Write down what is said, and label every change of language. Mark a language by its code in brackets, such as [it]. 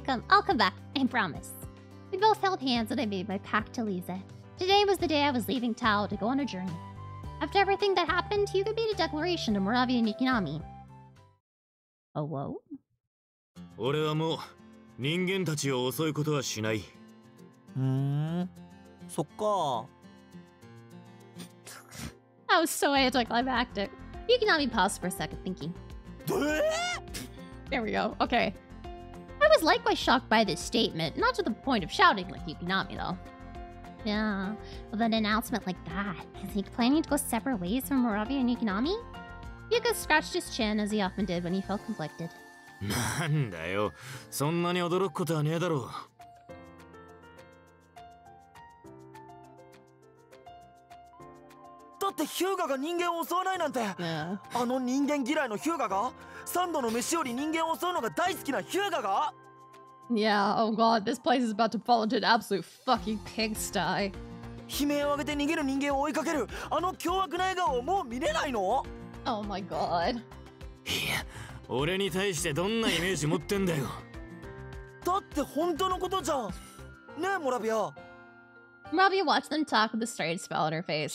[en] I'll come back, I promise. We both held hands and I made my pack to Lise. Today was the day I was leaving Tao to go on a journey. After everything that happened, Hyuga made a declaration to Moravia and Yukinami. Oh, whoa? [ja] 俺はもう人間たちを襲うことはしない。ふーん、そっか。 [en] That was so anticlimactic. Yukinami paused for a second, thinking. There we go. Okay. I was likewise shocked by this statement, not to the point of shouting like Yukinami, though. Yeah, with an announcement like that, is he planning to go separate ways from Moravia and Yukinami? Hyuga scratched his chin, as he often did when he felt conflicted. [ja] Nanda yo, sonna ni odoroku koto wa nee daro. ってヒューガが人間を襲わないなんて、 [en] yeah. [ja] あの人間嫌いのヒューガが、サンドの飯より人間を襲うのが大好きなヒューガが。 [en] Yeah, oh god, this place is about to fall into an absolute fucking pigsty. [ja] 悲鳴を上げて逃げる人間を追いかける、あの凶悪な笑顔をもう見れないの。 [en] Oh my god. [ja] いや、俺に対してどんなイメージ持ってんだよ。だって本当のことじゃん。ねえ、モラビア。 [en] Robbie watched them talk with a strange smile on her face.